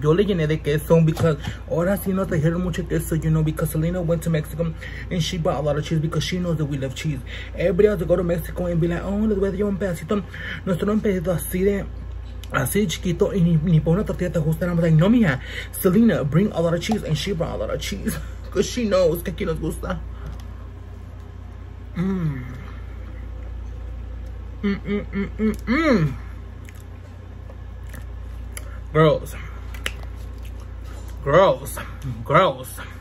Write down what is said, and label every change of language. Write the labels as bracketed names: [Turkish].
[Spanish] Yo le llené de queso [English] because [Spanish] ahora sí no trajeron mucho queso, [English] you know, because Selena went to Mexico and she bought a lot of cheese because she knows that we love cheese. Everybody has to go to Mexico and be like, oh, [Spanish] les voy a llevar un pedacito. Nosotros un pedacito así de. Así chiquito y ni por una tortilla te gusta. [English] I'm like, no, mija, Selena, bring a lot of cheese. And she brought a lot of cheese. Because she knows [Spanish] que aquí nos gusta. [English] Girls. Girls. Girls.